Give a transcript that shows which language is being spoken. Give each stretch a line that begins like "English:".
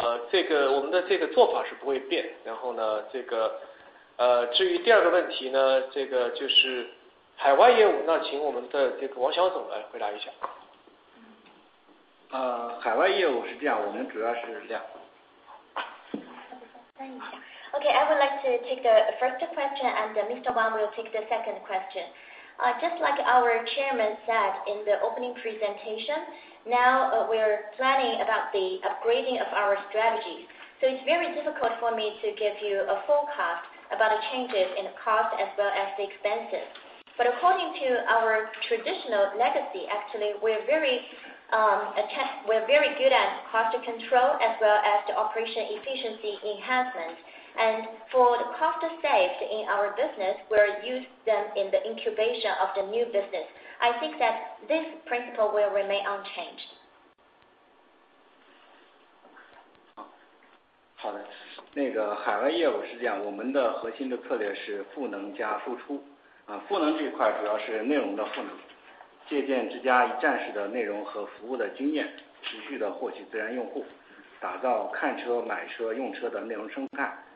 Chinese: 这个我们的这个做法是不会变。然后呢这个至于第二个问题呢，这个就是海外业务，那请我们的这个王小总来回答一下。海外业务是这样，我们主要是两个。
English: Okay, I would like to take the first question and Mr. Wang will take the second question. Just like our chairman said in the opening presentation,Now we're planning about the upgrading of our strategies. So it's very difficult for me to give you a forecast about the changes in the cost as well as the expenses. But according to our traditional legacy, actually, we're very good at cost control as well as the operation efficiency enhancement. And for the cost saved in our business, we'll use them in the incubation of the new business. I think that this principle will remain unchanged.
Chinese: 好的，那个海外业务是这样，我们的核心的策略是赋能加输出。赋能这一块主要是内容的赋能，借鉴之家一站式的内容和服务的经验，持续的获取自然用户，打造看车、买车、用车的内容生态。